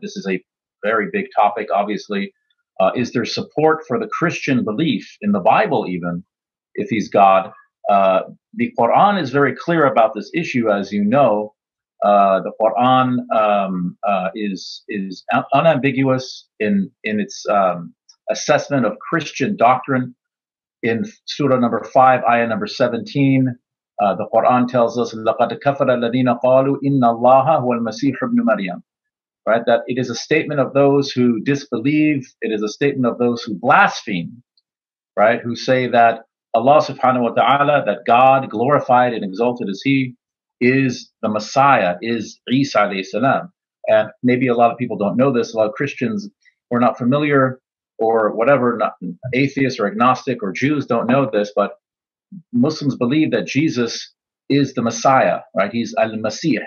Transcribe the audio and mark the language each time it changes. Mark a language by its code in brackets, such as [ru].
[en] This is a very big topic, obviously. Is there support for the Christian belief in the Bible, even, if he's God? The Qur'an is very clear about this issue, as you know. The Qur'an is unambiguous in its assessment of Christian doctrine. In Surah number 5, Ayah number 17, the Qur'an tells us, [ar] لَقَدْ كَفَرَ الَّذِينَ قَالُوا إِنَّ اللَّهَ هُوَ الْمَسِيحُ ابْنُ مَرْيَمُ. [en] Right, that it is a statement of those who disbelieve, it is a statement of those who blaspheme, right, who say that Allah subhanahu wa ta'ala, that God, glorified and exalted is He, is the Messiah, is Isa alayhi salam. And maybe a lot of people don't know this, a lot of Christians were not familiar, or whatever, not atheists or agnostic or Jews don't know this, but Muslims believe that Jesus is the Messiah, right? He's al-Masih.